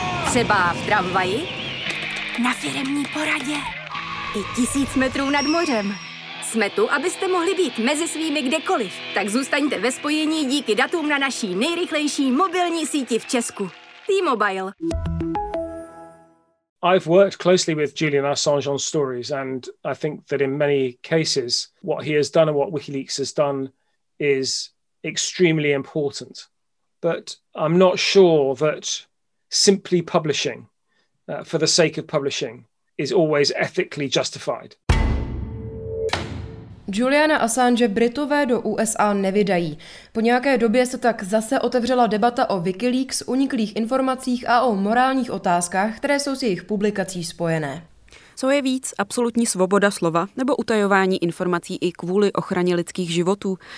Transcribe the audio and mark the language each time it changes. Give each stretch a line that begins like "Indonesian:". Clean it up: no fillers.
Czech: Třeba v tramvaji. Na firemní poradě. I 1000 metrů nad mořem. Jsme tu, abyste mohli být mezi svými kdekoliv. Tak zůstaňte ve spojení díky datům na naší nejrychlejší mobilní síti v Česku. T-Mobile.
English: I've worked closely with Julian Assange on stories, and I think that in many cases, what he has done and what WikiLeaks has done is extremely important. But I'm not sure that simply publishing, for the sake of publishing, is always ethically justified.
Czech: Juliana Assange Britové do USA nevydají. Po nějaké době se tak zase otevřela debata o WikiLeaks, uniklých informacích a o morálních otázkách, které jsou s jejich publikací spojené. Co je víc, absolutní svoboda slova nebo utajování informací i kvůli ochraně lidských životů?